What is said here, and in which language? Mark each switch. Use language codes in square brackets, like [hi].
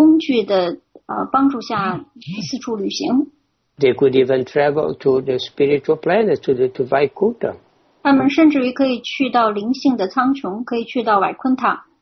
[zh] 所以呢，他们就可以一直保持着孩童的身体，然后呢，在外太空，在没有任何的这个器就是工具的帮助下四处旅行。 [en] They could even travel to the spiritual planet, to Vaikuntha. [zh] 他们甚至于可以去到灵性的苍穹, 可以去到瓦昆塔。